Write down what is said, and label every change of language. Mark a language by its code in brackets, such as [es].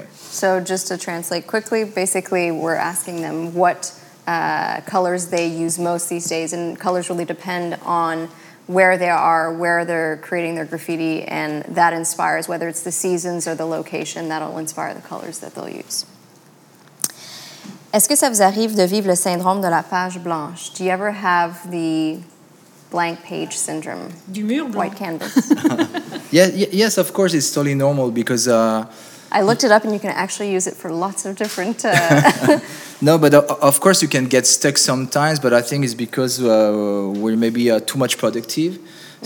[en] So just to translate quickly, basically, we're asking them what colors they use most these days, and colors really depend on where they are, where they're creating their graffiti, and that inspires whether it's the seasons or the location that'll inspire the colors that they'll use. [fr] Est-ce que ça vous arrive de vivre le syndrome de la page blanche? [en] Do you ever have the blank page syndrome? [fr] Du mur blanc. [en] White canvas. Yes, of course, it's totally normal because... I looked it up and you can actually use it for lots of different... No, but of course you can get stuck sometimes, but I think it's because we're maybe too much productive. Mm-hmm.